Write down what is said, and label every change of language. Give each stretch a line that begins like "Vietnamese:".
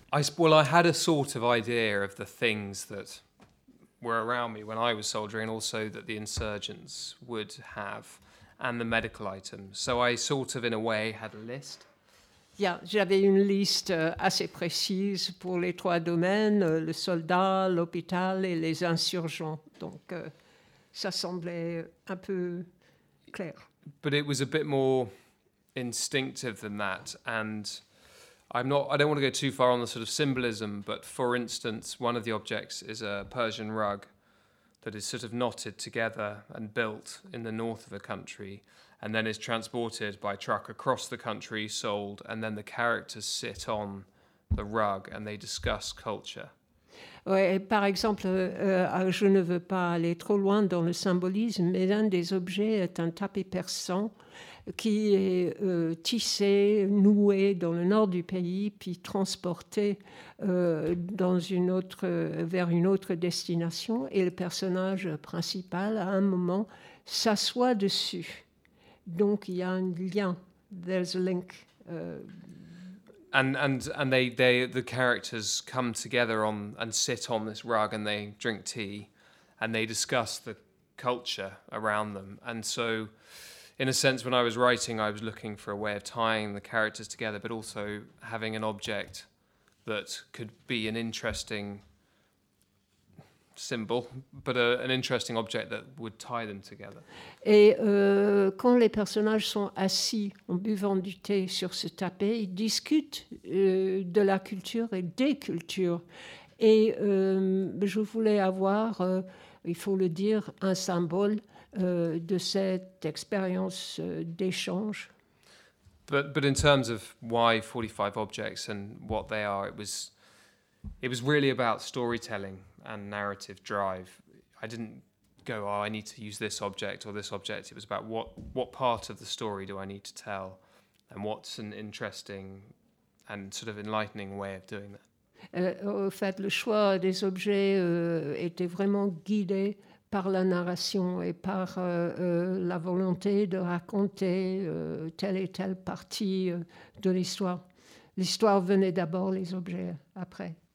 English: I had a sort of idea of the things that were around me when I was soldiering, and also that the insurgents would have, and the medical items. So I sort of, in a way, had a list.
French: Yeah, j'avais une liste assez précise pour les trois domaines, le soldat, l'hôpital et les insurgents. Donc, ça semblait un peu clair.
English: But it was a bit more instinctive than that, and I don't want to go too far on the sort of symbolism, but for instance, one of the objects is a Persian rug that is sort of knotted together and built in the north of a country, and then is transported by truck across the country, sold, and then the characters sit on the rug and they discuss culture.
French: Oui, par exemple, je ne veux pas aller trop loin dans le symbolisme, mais un des objets est un tapis persan qui est tissé, noué dans le nord du pays, puis transporté vers une autre destination. Et le personnage principal, à un moment, s'assoit dessus. Donc, il y a un lien.
English: There's a link. And they the characters come together on and sit on this rug and they drink tea and they discuss the culture around them. And so, in a sense, when I was writing, I was looking for a way of tying the characters together, but also having an object that could be an interesting symbol, but an interesting object that would tie them together.
French: Et quand les personnages sont assis en buvant du thé sur ce tapis, ils discutent de la culture et des cultures. Et je voulais avoir, il faut le dire, un symbole de cette expérience d'échange.
English: But in terms of why 45 objects and what they are, it was really about storytelling and narrative drive. I didn't go, I need to use this object or this object. It was about what part of the story do I need to tell and what's an interesting and sort of enlightening way of doing that.
French: Au fait, le choix des objets était vraiment guidé par la narration et par la volonté de raconter telle et telle partie de l'histoire. l'histoire venait d'abord, les objets après.